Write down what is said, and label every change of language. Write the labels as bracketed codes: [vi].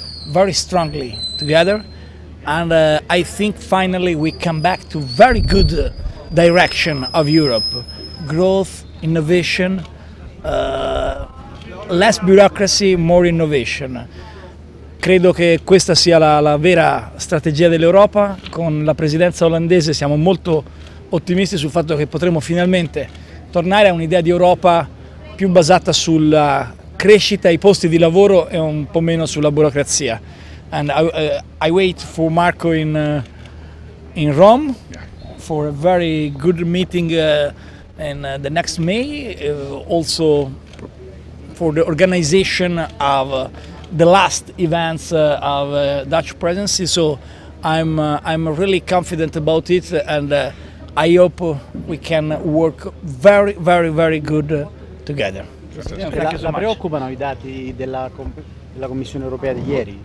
[en] very strongly together, and I think finally we come back to very good direction of Europe: growth, innovation, less bureaucracy, more innovation. [it] Credo che questa sia la vera strategia dell'Europa. Con la presidenza olandese siamo molto ottimisti sul fatto che potremo finalmente tornare a un'idea di Europa più basata sulla crescita, i posti di lavoro e un po' meno sulla burocrazia. [en] And I wait for Marco in Rome for a very good meeting in the next May, also for the organization of the last events of Dutch presidency. So I'm really confident about it, and I hope we can work very, very, very good together. [it] La preoccupano i dati della Commissione Europea di ieri?